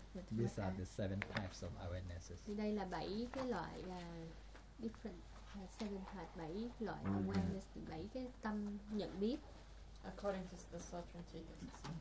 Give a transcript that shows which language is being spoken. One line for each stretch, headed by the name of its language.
English: These are the seven types of awarenesses.
Vietnamese: Đây là bảy cái loại
English: different seven types,
Vietnamese: bảy loại awareness, bảy cái tâm nhận biết.
English: According to the Sutra Teachings.